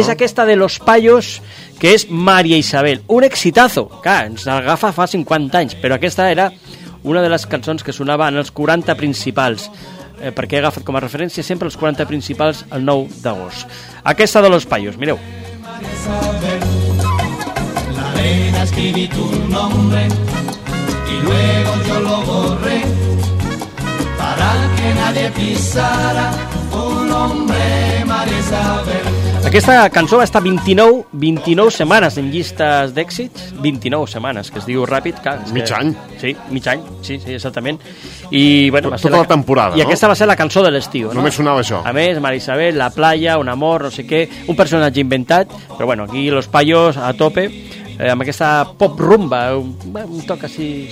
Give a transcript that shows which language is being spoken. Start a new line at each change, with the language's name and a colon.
Catalan: És aquesta de Los Payos, que és Maria Isabel. Un exitazo, clar, ens l'agafa fa 50 anys, però aquesta era una de les cançons que sonava en els 40 principals. Perquè he agafat com a referència sempre els 40 principals el 9 d'agost. Aquesta de Los Payos, mireu.
Spanish: La arena escribí tu nombre y luego yo lo borré para que nadie pisara tu nombre, María Isabel.
Catalan: Aquesta cançó va estar 29 setmanes en llistes d'èxits, 29 setmanes, que es diu ràpid. Clar, mig any. Sí, mig any, sí, exactament. I, bueno, tota la temporada, i aquesta va ser la cançó de l'estiu. Només sonava això. A més, Maria Isabel, la playa, un amor, no sé què, un personatge inventat, però bueno, aquí Los Payos a tope, amb aquesta pop rumba, un toc així...